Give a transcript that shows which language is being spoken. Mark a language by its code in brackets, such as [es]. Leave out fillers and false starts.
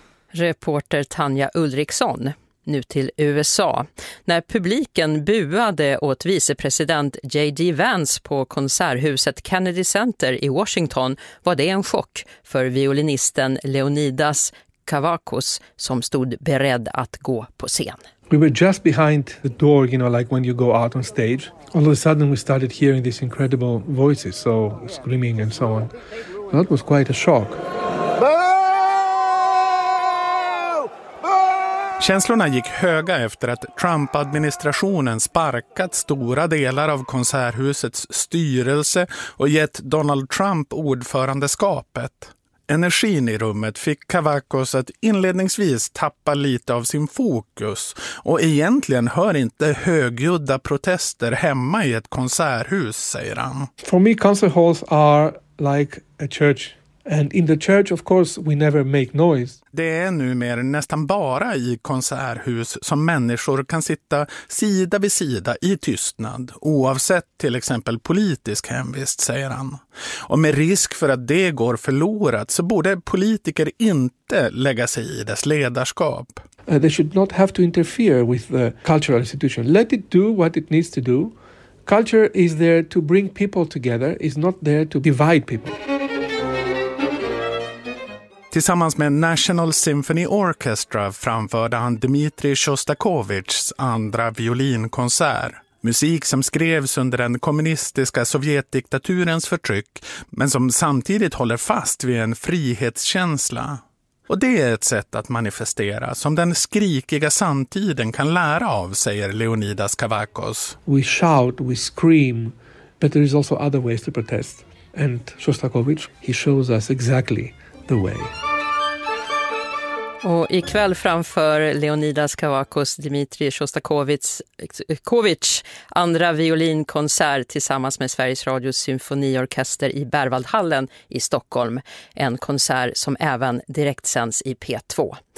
[sv] Reporter Tanja Ulriksson. nu till USA. När publiken buade åt vicepresident J.D. Vance på konserthuset Kennedy Center i Washington var det en chock för violinisten Leonidas Kavakos som stod beredd att gå på scen. [en] We were just behind the door, you know, like when you go out on stage. All of a sudden we started hearing these incredible voices, so screaming and so on. That was quite a shock. [sv] Känslorna gick höga efter att Trump-administrationen sparkat stora delar av konserthusets styrelse och gett Donald Trump ordförandeskapet. Energin i rummet fick Kavakos att inledningsvis tappa lite av sin fokus och egentligen hör inte högljudda protester hemma i ett konserthus, säger han. [en] For me, concert halls are like a church. And in the church, of course, we never make noise. [sv] Det är numera nästan bara i konserthus som människor kan sitta sida vid sida i tystnad, oavsett till exempel politisk hemvist, säger han. Och med risk för att det går förlorat så borde politiker inte lägga sig i dess ledarskap. [en] They should not have to interfere with the cultural institution. Let it do what it needs to do. Culture is there to bring people together, is not there to divide people. [sv] Tillsammans med National Symphony Orchestra framförde han Dmitri Shostakovichs andra violinkonsert. Musik som skrevs under den kommunistiska sovjetdiktaturens förtryck, men som samtidigt håller fast vid en frihetskänsla. Och det är ett sätt att manifestera som den skrikiga samtiden kan lära av, säger Leonidas Kavakos. [en] We shout, we scream, but there is also other ways to protest. And Shostakovich, he shows us exactly the way. [sv] Och ikväll framför Leonidas Kavakos Dmitri Shostakovichs andra violinkonsert tillsammans med Sveriges Radios symfoniorkester i Berwaldhallen i Stockholm. En konsert som även direkt sänds i P2.